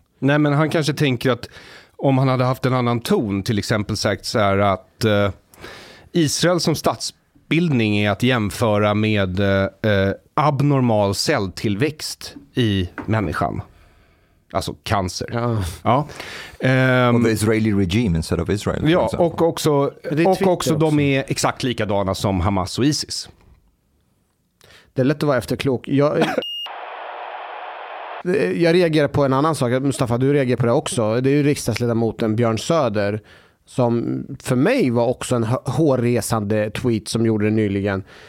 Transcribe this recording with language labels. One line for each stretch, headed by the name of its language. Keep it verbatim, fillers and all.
Swedish: Nej, men han kanske tänker att om han hade haft en annan ton, till exempel sagt så här att eh, Israel som statsbildning är att jämföra med eh, abnormal celltillväxt i människan. Alltså cancer. Ja. Ja.
English: Um, well, the Israeli regime instead of Israel.
Swedish: Ja, och också, och också de är exakt likadana som Hamas och ISIS. Det är lätt att vara efterklok. Jag, jag reagerar på en annan sak. Mustafa, du reagerar på det också. Det är ju riksdagsledamoten Björn Söder som för mig var också en hårresande tweet som gjorde det nyligen.